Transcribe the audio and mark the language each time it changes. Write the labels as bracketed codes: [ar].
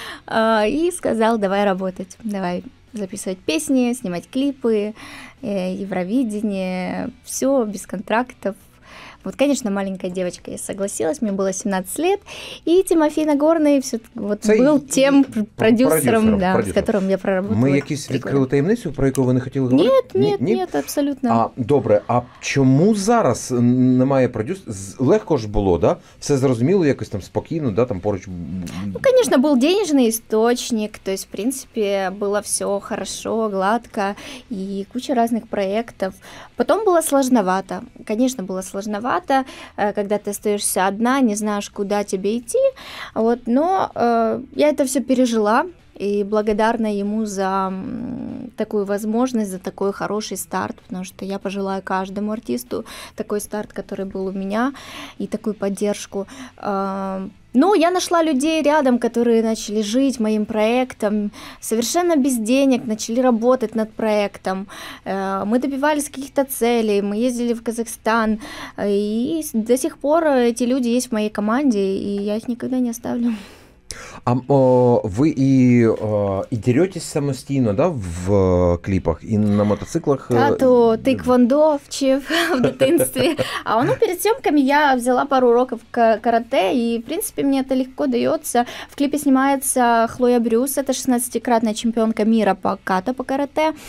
[ru] И сказал: «Давай работать, давай записывать песни, снимать клипы, Евровидение, все без контрактов». Вот, конечно, маленькая девочка, я согласилась, мне было 17 лет, и Тимофей Нагорный все вот был тем продюсером, да, с которым я проработала. [uk] Мы якісь відкрили таємницю, про яку ви не хотіли говорити? [ru] Нет, абсолютно. [uk] А, добре, а чому зараз немає продюсера? Легко ж було, да? Все зрозуміло, якось там спокійно, да, там поруч. [ru] Ну, конечно, был денежный источник, то есть, в принципе, было все хорошо, гладко, и куча разных проектов. Потом было сложновато. Конечно, было сложновато. Когда ты остаешься одна, не знаешь, куда тебе идти. Вот, но я это все пережила и благодарна ему за такую возможность, за такой хороший старт, потому что я пожелаю каждому артисту такой старт, который был у меня, и такую поддержку. Но я нашла людей рядом, которые начали жить моим проектом, совершенно без денег, начали работать над проектом. Мы добивались каких-то целей, мы ездили в Казахстан, и до сих пор эти люди есть в моей команде, и я их никогда не оставлю. [uk] А ви і деретесь самостійно, да, в кліпах і на мотоциклах? Та то тхэквондо вчив в дитинстві. А воно перед зйомками я взяла пару уроків карате, і в принципі мені це легко дається. В кліпі знімається Хлоя Брюс, це 16-кратна чемпіонка міра по ката, по карате.